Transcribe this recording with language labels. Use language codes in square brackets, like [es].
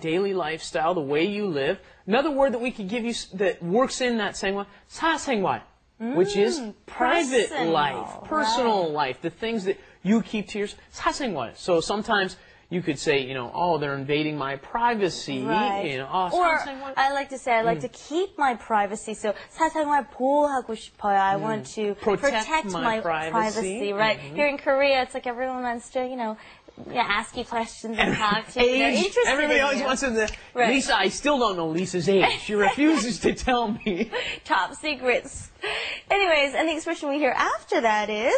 [en] Daily lifestyle, the way you live. Another word that we could give you that works in that 생활, 사생활, which is private life, personal life, the things that you keep to yourself. [ko] 사생활. [en] So sometimes you could say, you know, oh, they're invading my privacy. Right. You know, oh, or I like to say, I like to keep my privacy. [ko] So 사생활 보호하고 싶어요. [en] I want to protect my privacy. Right. Mm-hmm. Here in Korea, it's like everyone wants to, you know, ask you questions and talk to you. Age. Everybody always wants to know. Right. Lisa, I still don't know Lisa's age. She refuses to tell me. Top secrets. Anyways, and the expression we hear after that is